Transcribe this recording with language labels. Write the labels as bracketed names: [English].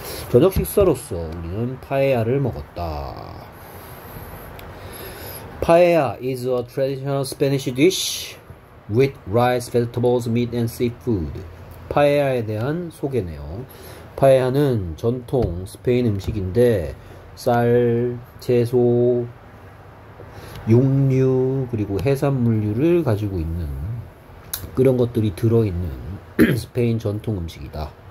[Korean] 저녁 식사로서 우리는 파에야를 먹었다. [English] 파에야 is a traditional Spanish dish with rice, vegetables, meat and seafood. [Korean] 파에야에 대한 소개네요. 파에야는 전통 스페인 음식인데 쌀, 채소, 육류, 그리고 해산물류를 가지고 있는 그런 것들이 들어있는 스페인 전통 음식이다.